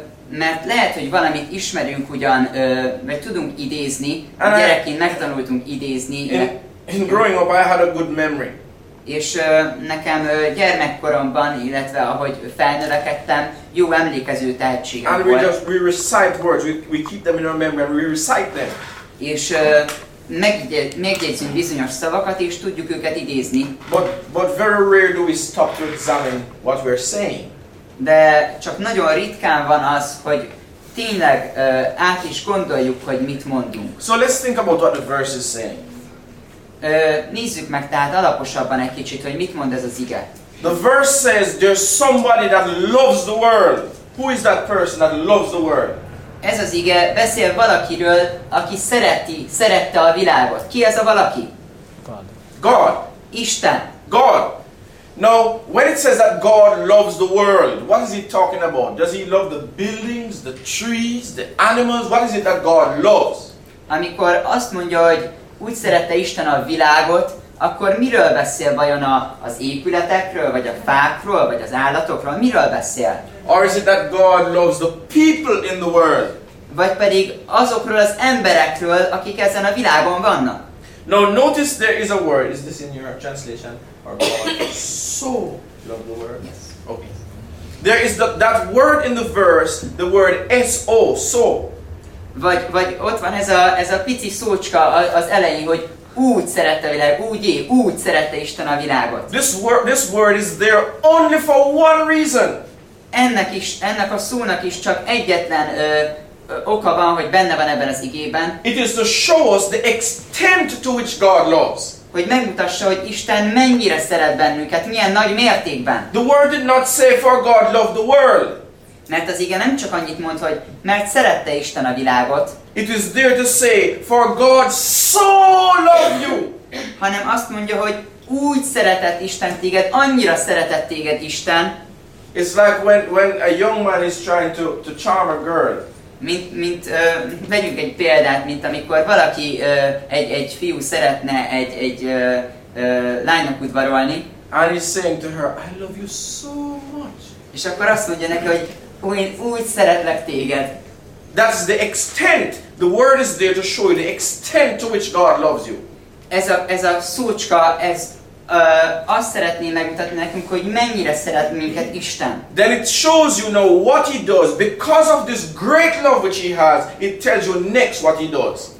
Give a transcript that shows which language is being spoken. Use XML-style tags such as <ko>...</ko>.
<hu>Mert lehet, hogy valamit ismerünk ugyan, vagy tudunk idézni, gyerekként megtanultunk idézni.</hu> <en>In growing up, I had a good memory.</en> <hu>És nekem gyermekkoromban, illetve ahogy felnövekedtem, jó emlékező tehetségem volt.</hu> <en>We recite words, we keep them in our memory, and we recite them.</en> <hu>És megjegyzünk bizonyos szavakat, és tudjuk őket idézni.</hu> <en>But very rare do we stop to examine what we're saying.</en> <hu>De csak nagyon ritkán van az, hogy tényleg át is gondoljuk, hogy mit mondunk.</hu> <en>So let's think about what the verse is saying.</en> <hu>Nézzük meg tehát alaposabban egy kicsit, hogy mit mond ez az ige.</hu> <en>The verse says there's somebody that loves the world. Who is that person that loves the world?</en> <hu>Ez az ige beszél valakiről, aki szerette a világot. Ki ez a valaki?</hu> <en>God.</en> <hu>Isten.</hu> <en>God. Now, when it says that God loves the world, what is he talking about? Does he love the buildings, the trees, the animals? What is it that God loves?</en> <hu>Amikor azt mondja, hogy úgy szerette Isten a világot, akkor miről beszél vajon az épületekről, vagy a fákról, vagy az állatokról? Miről beszél?</hu> <en>Or is it that God loves the people in the world?</en> <hu>Vagy pedig azokról az emberekről, akik ezen a világon vannak?</hu> <en>Now, notice there is a word. Is this in your translation? Or God so loved the world? Yes. Okay. There is that word in the verse, the word S-O, so.</en> <hu>Vagy ott van ez a pici szócska az elején, hogy úgy szerette a világ, úgy szerette Isten a világot.</hu> <en>This word is there only for one reason.</en> <hu>Ennek a szónak is csak egyetlen oka van, hogy benne van ebben az igében.</hu> <en>It is to show us the extent to which God loves.</en> <hu>Hogy megmutassa, hogy Isten mennyire szeret bennünket, milyen nagy mértékben.</hu> <en>The word did not say for God loved the world.</en> <hu>Mert az ige nem csak annyit mond, hogy mert szerette Isten a világot.</hu> <en>It is there to say, for God so loved you.</en> <hu>Hanem azt mondja, hogy úgy szeretett Isten téged, annyira szeretett téged Isten.</hu> <en>It's like when a young man is trying to charm a girl.</en> <hu>Mint vegyünk egy példát, mint amikor valaki egy fiú szeretne egy lánynak udvarolni.</hu> <en>And he's saying to her, I love you so much.</en> <hu>És akkor azt mondja neki, hogy én úgy szeretlek téged.</hu> <en>That's the extent. The word is there to show you the extent to which God loves you.</en> <hu>Ez a szócska, azt szeretné megmutatni nekünk, hogy mennyire szeret minket Isten.</hu> <en>Then it shows you now what he does. Because of this great love which he has, it tells you next what he does.</en>